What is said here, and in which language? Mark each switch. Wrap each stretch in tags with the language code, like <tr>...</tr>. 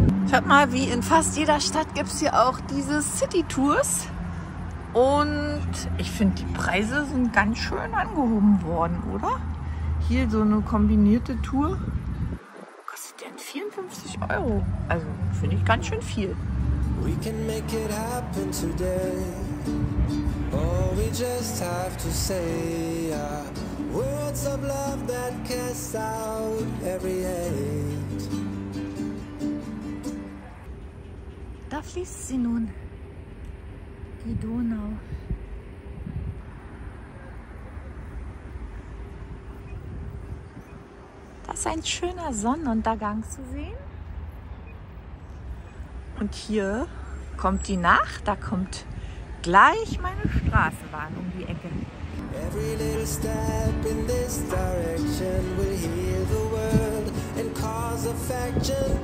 <de>Schaut mal, wie in fast jeder Stadt gibt es hier auch diese City-Tours. Und ich finde, die Preise sind ganz schön angehoben worden, oder? Hier so eine kombinierte Tour. Kostet denn 54 Euro? Also finde ich ganz schön viel.</de> <en>We can make it happen today. Or we just have to say words of love that cast out every hate.</en> <de>Da fließt sie nun, die Donau. Das ist ein schöner Sonnenuntergang zu sehen. Und hier kommt die Nacht, da kommt gleich meine Straßenbahn um die Ecke.</de> <en>Every little step in this direction will heal the world and cause affection.</en>